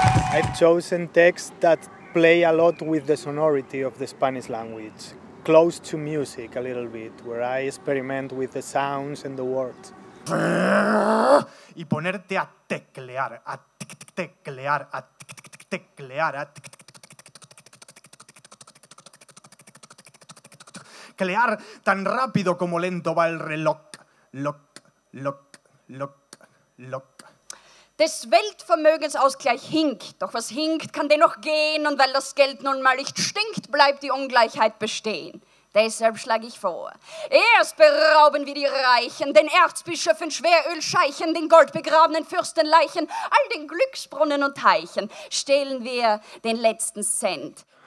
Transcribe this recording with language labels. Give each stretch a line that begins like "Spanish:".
English: I've chosen texts that play a lot with the sonority of the Spanish language. Close to music a little bit, where I experiment with the sounds and the words.
Spanish: Y ponerte a teclear, a teclear, a teclear, a teclear tan rápido como lento va el reloj. Lock, lock, lock, lock.
German: Des Weltvermögensausgleich hinkt, doch was hinkt, kann dennoch gehen, und weil das Geld nun mal nicht stinkt, bleibt die Ungleichheit bestehen. Deshalb schlage ich vor, erst berauben wir die Reichen, den Erzbischöfen, Schwerölscheichen, den goldbegrabenen Fürstenleichen, all den Glücksbrunnen und Teichen, stehlen wir den letzten Cent.